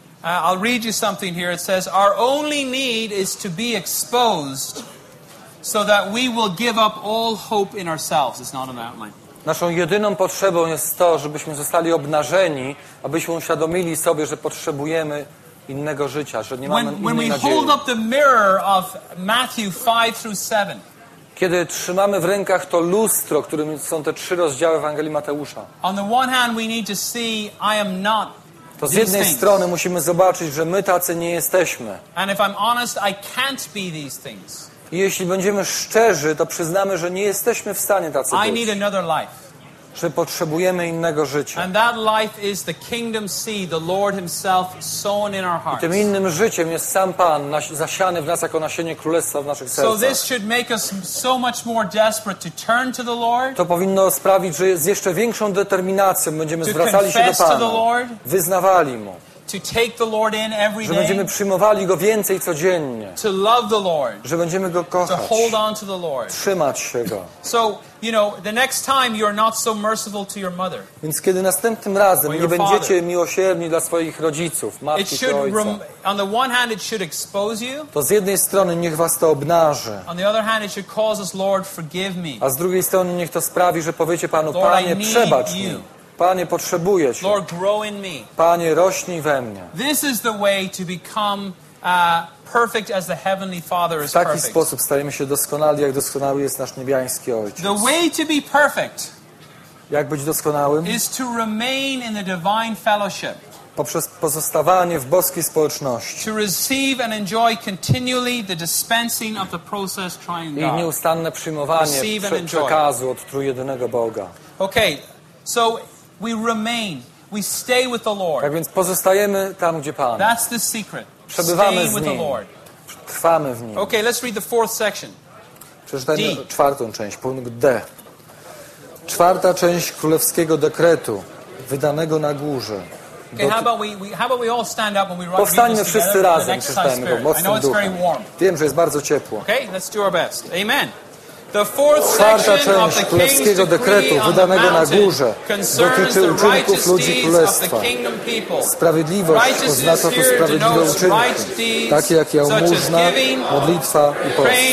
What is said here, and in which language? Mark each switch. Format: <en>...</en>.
<en>I'll read you something here. It says, our only need is to be exposed so that we will give up all hope in ourselves. It's not an outline.</en> <pl>Naszą jedyną potrzebą jest to, żebyśmy zostali obnażeni, abyśmy uświadomili sobie, że potrzebujemy innego życia, że nie mamy innej</pl> <en>when we</en> <pl>nadziei.</pl> <en>Hold up the mirror of Matthew 5 through 7.</en> <pl>Kiedy trzymamy w rękach to lustro, którym są te 3 rozdziały Ewangelii Mateusza.</pl> <en>On the one hand we need to see I am not.</en> <pl>To z jednej strony musimy zobaczyć, że my tacy nie jesteśmy.</pl> <en>And if I'm honest, I can't be these things.</en> <pl>I jeśli będziemy szczerzy, to przyznamy, że nie jesteśmy w stanie tacy być.</pl> <en>I need another life.</en> <pl>Że potrzebujemy innego życia.</pl> <en>And that life is the kingdom seed, the Lord himself sown in our hearts.</en> <pl>I tym innym życiem jest sam Pan zasiany w nas jako nasienie królestwa w naszych sercach.</pl> <en>So this should make us so much more desperate to turn to the Lord.</en> <pl>To powinno sprawić, że z jeszcze większą determinacją będziemy zwracali się do Pana. Wyznawali mu.</pl> <en>To take the Lord in every day.</en> <pl>Że będziemy przyjmowali go więcej codziennie.</pl> <en>To love the Lord.</en> <pl>Że będziemy go kochać.</pl> <en>To hold on to the Lord.</en> <pl>Trzymać się go.</pl> <en>So, you know, the next time you're not so merciful to your mother.</en> <pl>Więc kiedy następnym razem nie będziecie miłosierni dla swoich rodziców, matki czy ojca.</pl> <en>On the one hand it should expose you.</en> <pl>To z jednej strony niech was to obnaży.</pl> <en>On the other hand it should cause us, Lord, forgive me.</en> <pl>A z drugiej strony niech to sprawi, że powiecie Panu, Panie, przebacz mi. Panie, potrzebuję Cię.</pl> <en>Lord, grow in me.</en> <pl>Panie, rośnij we mnie.</pl> <en>This is the way to become perfect as the heavenly Father is perfect.</en> <pl>W taki sposób stajemy się doskonali, jak doskonały jest nasz niebiański Ojciec.</pl> <en>The way to be perfect.</en> <pl>Jak być doskonałym?</pl> <en>Is to remain in the divine fellowship.</en> <pl>Poprzez pozostawanie w boskiej społeczności.</pl> <en>To receive and enjoy continually the dispensing of the process triune God.</en> <pl>I nieustanne przyjmowanie przekazu od trójjedynego Boga.</pl> <en>Okay. So we remain, we stay with the Lord.</en> <pl>Tak więc pozostajemy tam, gdzie Pan.</pl> <en>That's the secret.</en> <pl>Przebywamy z Nim. Trwamy w Nim.</pl> <en>Okay, let's read the fourth section.</en> <pl>Przeczytajmy czwartą część, punkt D. Czwarta część królewskiego dekretu wydanego na górze.</pl> <en>Okay, how about we all stand up and we write.</en> <pl>Powstańmy wszyscy razem, przeczytajmy go mocnym duchem. Wiem, że jest bardzo ciepło.</pl> <en>Okay, let's do our best. Amen.</en> <pl>Czwarta część królewskiego dekretu wydanego na górze dotyczy uczynków ludzi królestwa. Sprawiedliwość oznacza to sprawiedliwe uczynki, takie jak jałmużna, modlitwa i post.</pl>